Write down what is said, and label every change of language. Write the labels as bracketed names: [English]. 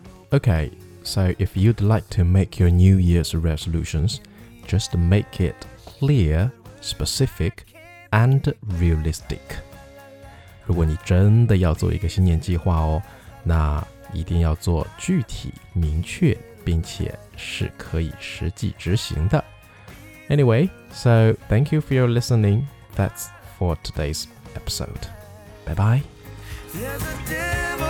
[English] OK， so if you'd like to make your New Year's resolutions, just make it clear, specific, and realistic. [Chinese] 如果你真的要做一个新年计划哦，那一定要做具体明确，并且是可以实际执行的。 [English] Anyway, so thank you for your listening. That's for today's episode. Bye bye.